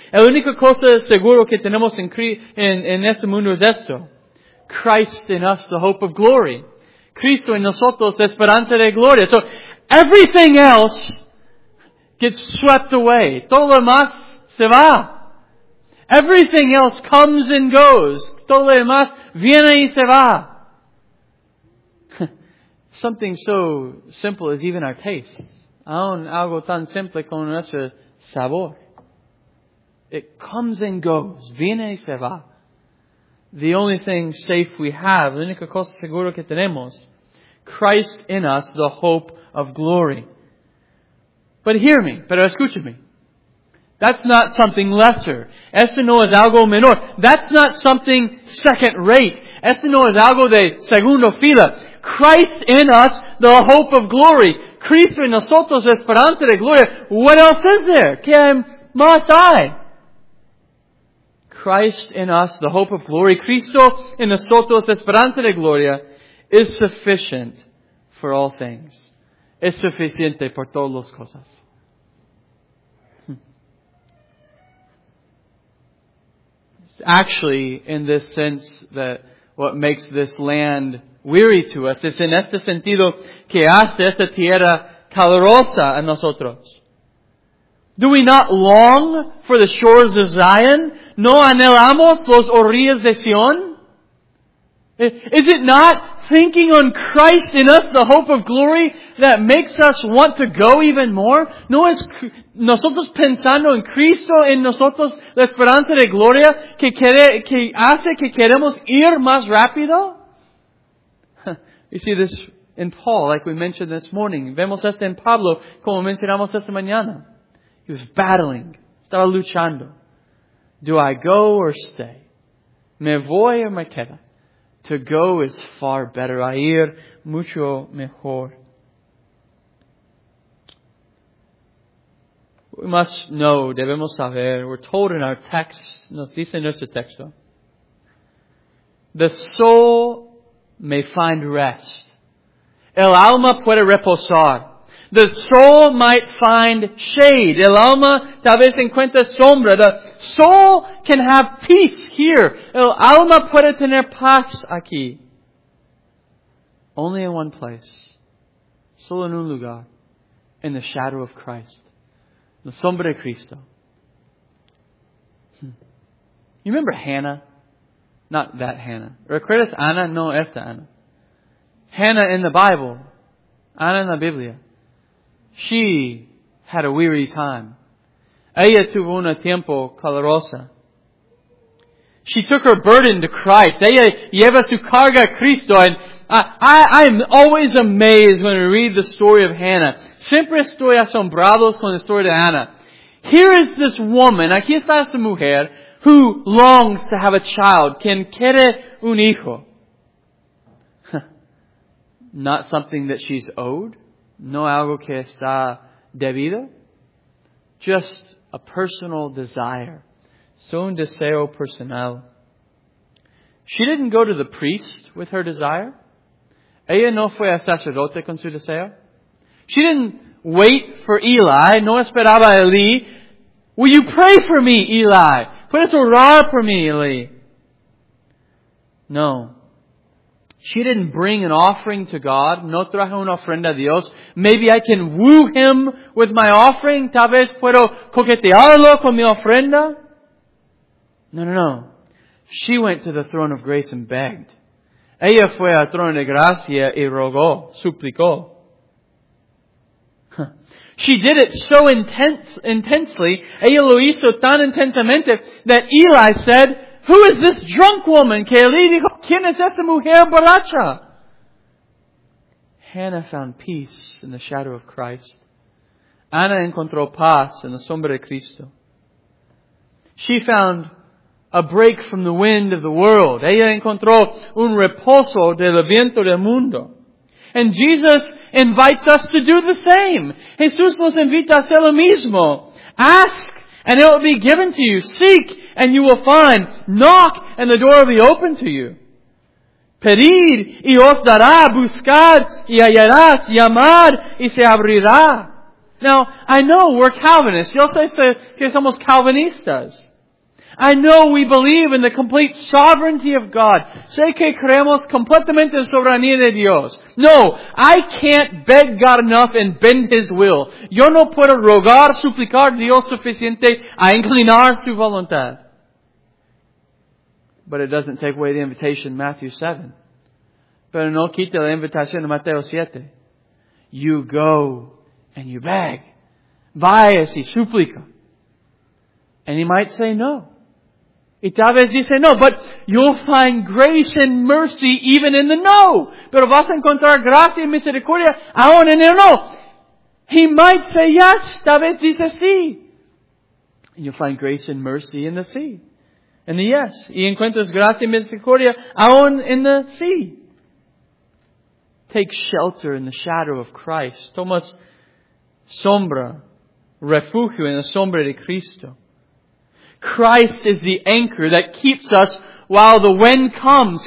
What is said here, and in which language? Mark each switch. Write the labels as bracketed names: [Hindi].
[Spanish] El único cosa seguro que tenemos en este mundo es esto. [English] Christ in us, the hope of glory. [Spanish] Cristo en nosotros, esperanza de gloria. [English] So, everything else gets swept away. [Spanish] Todo lo más se va. [English] Everything else comes and goes. [Spanish] Todo lo más viene y se va. [English] Something so simple is even our taste. [Spanish] Aún algo tan simple como nuestro sabor. [English] It comes and goes. [Spanish] Viene y se va. [English] The only thing safe we have, [Spanish] la única cosa segura que tenemos, [English] Christ in us, the hope of glory. But hear me, [Spanish] pero escúchame. [English] That's not something lesser. [Spanish] Esto no es algo menor. [English] That's not something second rate. [Spanish] Esto no es algo de segundo fila. [English] Christ in us, the hope of glory. [Spanish] Cristo en nosotros, esperanza de gloria. [English] What else is there? [Spanish] ¿Qué más hay? [English] Christ in us, the hope of glory. [Spanish] Cristo en nosotros, esperanza de gloria. [English] Is sufficient for all things. [Spanish] Es suficiente por todas las cosas. [English] It's actually in this sense that what makes this land weary to us. [Spanish] Es en este sentido que hace esta tierra calurosa a nosotros. [English] Do we not long for the shores of Zion? [Spanish] ¿No anhelamos los orillas de Sion? [English] Is it not thinking on Christ in us, the hope of glory, that makes us want to go even more? [Spanish] ¿No es nosotros pensando en Cristo en nosotros, la esperanza de gloria, que hace que queremos ir más rápido? [English] You see this in Paul, like we mentioned this morning. [Spanish] Vemos esto en Pablo, como mencionamos esta mañana. [English] He was battling. [Spanish] Estaba luchando. [English] Do I go or stay? [Spanish] ¿Me voy o me queda? [English] To go is far better. [Spanish] A ir mucho mejor. [English] We must know, [Spanish] debemos saber, [English] we're told in our text, [Spanish] nos dice nuestro texto, [English] the soul may find rest. [Spanish] El alma puede reposar. [English] The soul might find shade. [Spanish] El alma tal vez encuentre sombra. [English] The soul can have peace here. [Spanish] El alma puede tener paz aquí. [English] Only in one place. [Spanish] Solo en un lugar. [English] In the shadow of Christ. [Spanish] La sombra de Cristo. [English] You remember Hannah? Not that Hannah. [Spanish] ¿Recuerdas Ana? No esta Ana. [English] Hannah in the Bible. [Spanish] Ana en la Biblia. [English] She had a weary time. [Spanish] Ella tuvo un tiempo caluroso. [English] She took her burden to Christ. [Spanish] Ella lleva su carga a Cristo. [English] And I'm always amazed when I read the story of Hannah. [Spanish] Siempre estoy asombrado con la historia de Ana. [English] Here is this woman, [Spanish] aquí está esta mujer, [English] who longs to have a child, [Spanish] quien quiere un hijo. [English] Not something that she's owed. [Spanish] No algo que está debido. [English] Just a personal desire. [Spanish] So un deseo personal. [English] She didn't go to the priest with her desire. [Spanish] Ella no fue a sacerdote con su deseo. [English] She didn't wait for Eli. [Spanish] No esperaba a Eli. [English] Will you pray for me, Eli? [Spanish] Puedes orar por mí, Eli? [English] No. She didn't bring an offering to God. [Spanish] No trajo una ofrenda a Dios. [English] Maybe I can woo him with my offering. [Spanish] Tal vez puedo coquetearlo con mi ofrenda. [English] No, no, no. She went to the throne of grace and begged. [Spanish] Ella fue al trono de gracia y rogó, suplicó. [English] She did it so intensely. [Spanish] Ella lo hizo tan intensamente [English] that Eli said, "Who is this drunk woman?" [Spanish] Que Eli dijo, "¿Quién es esta mujer borracha?" [English] Hannah found peace in the shadow of Christ. [Spanish] Ana encontró paz en la sombra de Cristo. [English] She found a break from the wind of the world. [Spanish] Ella encontró un reposo del viento del mundo. [English] And Jesus invites us to do the same. [Spanish] Jesús nos invita a hacer lo mismo. [English] Ask, and it will be given to you. Seek, and you will find. Knock, and the door will be opened to you. [Spanish] Pedid, y os dará. Buscad, y hallarás. Llamad, y se abrirá. [English] Now, I know we're Calvinists. [Spanish] Yo sé que somos Calvinistas. [English] I know we believe in the complete sovereignty of God. [Spanish] Sé que creemos completamente en soberanía de Dios. [English] No, I can't beg God enough and bend His will. [Spanish] Yo no puedo rogar, suplicar Dios suficiente a inclinar su voluntad. [English] But it doesn't take away the invitation in Matthew 7. [Spanish] Pero no quita la invitación en Mateo 7. [English] You go and you beg. [Spanish] Vayas y suplica. [English] And he might say no. [Spanish] Y tal vez dice no, [English] but you'll find grace and mercy even in the no. [Spanish] Pero vas a encontrar gracia y misericordia aún en el no. [English] He might say yes, [Spanish] tal vez dice sí. [English] And you'll find grace and mercy in the sí. In the yes. [Spanish] Y encuentras gracia y misericordia aún en the sí. [English] Take shelter in the shadow of Christ. [Spanish] Tomas sombra, refugio en la sombra de Cristo. [English] Christ is the anchor that keeps us while the wind comes.